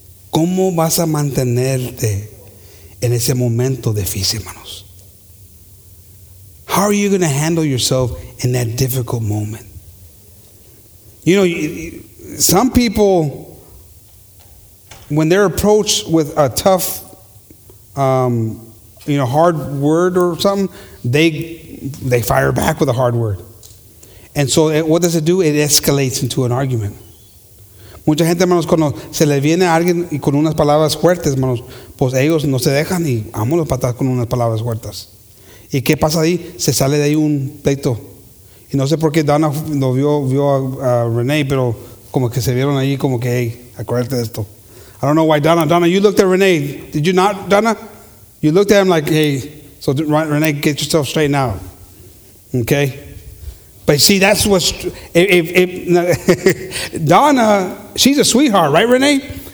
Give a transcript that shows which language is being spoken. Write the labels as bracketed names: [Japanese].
[Spanish] ¿Cómo vas a mantenerte en ese momento difícil, hermanos? [English] How are you going to handle yourself in that difficult moment? You know, some people, when they're approached with a tough, you know, hard word or something, they fire back with a hard word. And so what does it do? It escalates into an argument. [Spanish] Mucha gente, hermanos, cuando se le viene a alguien y con unas palabras fuertes, hermanos, pues ellos no se dejan y vámonos para atrás con unas palabras fuertes. ¿Y qué pasa ahí? Se sale de ahí un pleito. Y no sé por qué Dana lo vio a Renee, pero Como que se vieron ahí, como que, hey, acuérdate de esto. [English] I don't know why, Donna, you looked at Renee. Did you not, Donna? You looked at him like, hey, so Renee, get yourself straight now. Okay? But see, that's what's, if Donna, she's a sweetheart, right, Renee?